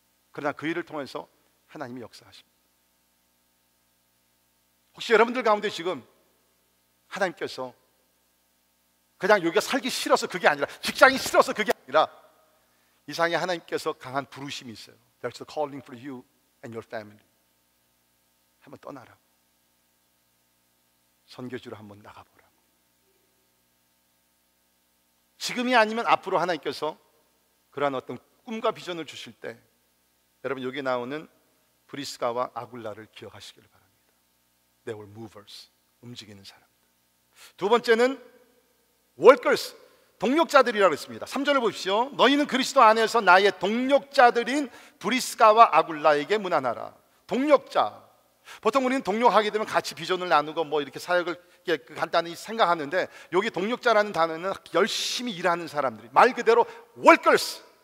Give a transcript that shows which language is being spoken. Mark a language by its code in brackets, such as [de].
[ko] 그러나 그 일을 통해서 하나님이 역사하십니다. 혹시 여러분들 가운데 지금 하나님께서 그냥 여기가 살기 싫어서 그게 아니라, 직장이 싫어서 그게 아니라, 이상의 하나님께서 강한 부르심이 있어요. [en] There's a calling for you and your family. [ko] 한번 떠나라고. 선교지로 한번 나가보라고. 지금이 아니면 앞으로 하나님께서 그러한 어떤 꿈과 비전을 주실 때 여러분 여기 나오는 브리스가와 아굴라를 기억하시기를 바랍니다. [en] They were movers, [ko] 움직이는 사람들. 두 번째는 workers, 동역자들이라고 했습니다. 3절을 보십시오. 너희는 그리스도 안에서 나의 동역자들인 브리스가와 아굴라에게 문안하라. 동역자. 보통 우리는 동역하게 되면 같이 비전을 나누고 뭐 이렇게 사역을 간단히 생각하는데, 여기 동역자라는 단어는 열심히 일하는 사람들이, 말 그대로 workers.